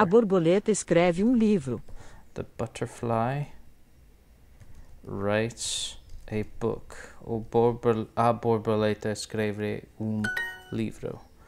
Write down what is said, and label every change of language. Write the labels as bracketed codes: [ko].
[pt] A borboleta escreve livro. [en] The butterfly writes a book. [pt] A borboleta escreve livro.